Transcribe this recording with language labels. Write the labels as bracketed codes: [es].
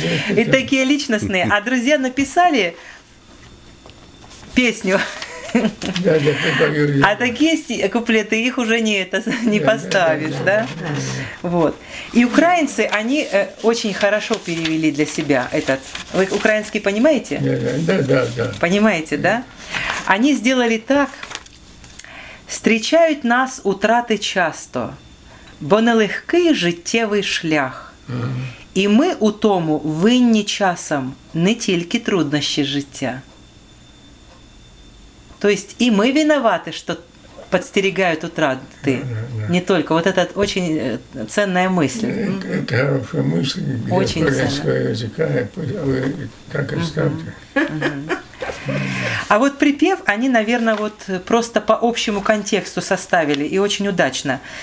[ru] И такие личностные. А друзья написали песню. А такие куплеты, их уже не поставишь, да? Вот. И украинцы, они очень хорошо перевели для себя этот. Вы украинский понимаете? Да. Понимаете, да? Они сделали так. [uk] Встречають нас утрати часто, бо нелегкий життєвий шлях. І ми у тому винні часом не тільки труднощі життя. Тобто і ми виноваті, що підстерігають утрати, не тільки. Ось це дуже цінна мисль. Це хороша мисль, я українського язика, ви так і ставте. [ru] А вот припев они, наверное, вот просто по общему контексту составили, и очень удачно.